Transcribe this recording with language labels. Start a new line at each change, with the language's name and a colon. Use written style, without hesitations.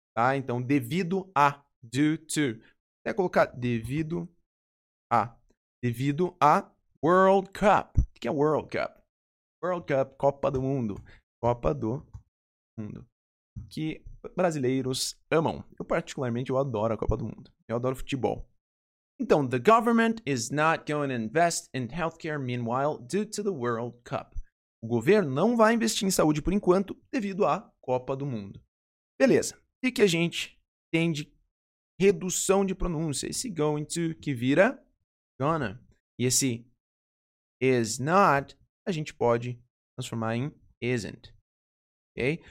Portuguese: Tá? Então, devido a. Due to. Até colocar devido a. Devido a World Cup. O que é World Cup? World Cup, Copa do Mundo. Copa do Mundo. Que brasileiros amam. Eu, particularmente, eu adoro a Copa do Mundo. Eu adoro futebol. Então,
English: the government is not going to invest in healthcare meanwhile due to the World Cup.
Portuguese: O governo não vai investir em saúde por enquanto devido à Copa do Mundo. Beleza. O que a gente tem de redução de pronúncia? Esse going to que vira gonna. E esse is not a gente pode transformar em isn't. Ok?